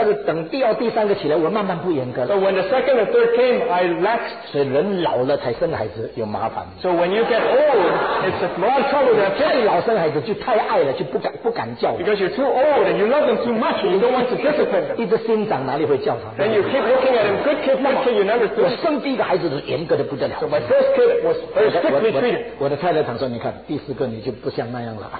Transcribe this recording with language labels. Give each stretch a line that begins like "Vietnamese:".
Chinese: 但是等第二、第三个起来，我慢慢不严格。
English: So when the second and third came, I relaxed.
Chinese: 所以人老了才生孩子有麻烦。
English: So when you get old, it's a lot of trouble to have kids.
Chinese: 老生孩子就太爱了，就不敢叫。
English: Because you're too old and you love them too much, you don't want to discipline them.
Chinese: 一直心长哪里会叫他？
English: Then you keep looking at him. Good kid, good kid, you never do.
Chinese: 我生第一个孩子是严格的不得了。
English: So my first kid was very strictly treated.
Chinese: 我的太太常说，你看第四个你就不像那样了。